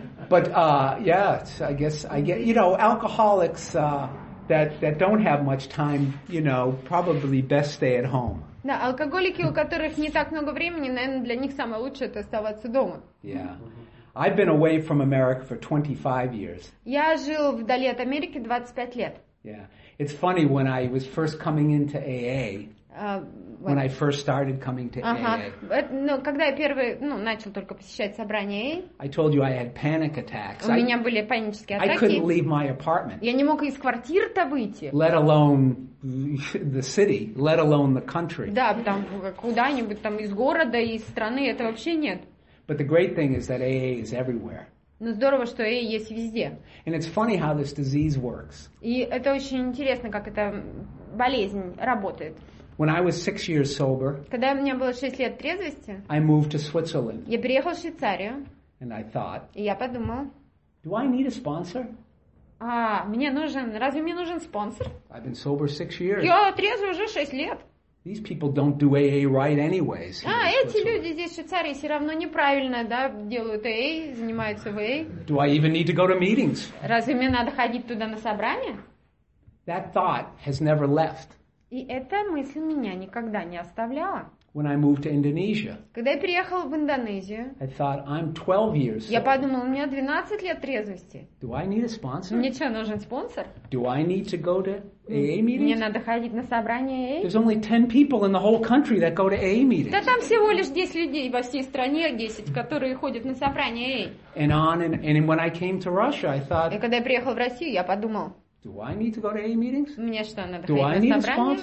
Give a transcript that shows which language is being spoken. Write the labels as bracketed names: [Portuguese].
[English] I guess you know, alcoholics that don't have much time, you know, probably best stay at home. [Russian] Да, алкоголики, у которых не так много времени, наверное, для них самое лучшее это оставаться дома. [English] Yeah. I've been away from America for 25 years. [Russian] Я жил вдали от Америки 25 лет. [English] Yeah. It's funny when I was first coming into AA. When I first started coming to AA. [Russian] Ну, когда я первый, ну, начал только посещать собрания AA. [English] I told you I had panic attacks. [Russian] У меня были панические атаки. [English] I couldn't leave my apartment. [Russian] Я не мог из квартиры-то выйти. [English] Let alone the city, let alone the country. [Russian] Да, там куда-нибудь там из города, из страны это вообще нет. [English] But the great thing is that AA is everywhere. [Russian] Но здорово, что AA есть везде. [English] And it's funny how this disease works. [Russian] И это очень интересно, как эта болезнь работает. [English] When I was 6 years sober, [Russian] когда мне было 6 лет трезвости, [English] I moved to Switzerland. [Russian] Я переехал в Швейцарию. [English] And I thought, [Russian] и я подумал, [English] do I need a sponsor? [Russian] Разве мне нужен спонсор? [English] I've been sober 6 years. [Russian] Я трезвый уже 6 лет. [English] These people don't do AA right anyways. [Russian] Эти люди здесь в Швейцарии все равно неправильно, да, делают AA, занимаются в AA. [English] Do I even need to go to meetings? [Russian] Разве мне надо ходить туда на собрания? [English] That thought has never left. [Russian] И эта мысль меня никогда не оставляла. [English] when I moved to Indonesia. [Russian] Когда я переехала в Индонезию, [English] I thought I'm 12 years [Russian] old. Я подумала, у меня 12 лет трезвости. [English] Do I need a sponsor? [Russian] Мне что, нужен спонсор? [English] Do I need to go to AA meetings? [Russian] Мне надо ходить на собрания AA? [English] There's only 10 people in the whole country that go to AA meetings. [Russian] Да там всего лишь 10 людей во всей стране, 10, которые ходят на собрания AA. [English] And on and when I came to Russia, I thought. [Russian] И когда я приехала в Россию, я подумала. [English] Do I need to go to AA meetings? [Russian] Мне что, надо ходить на собрания?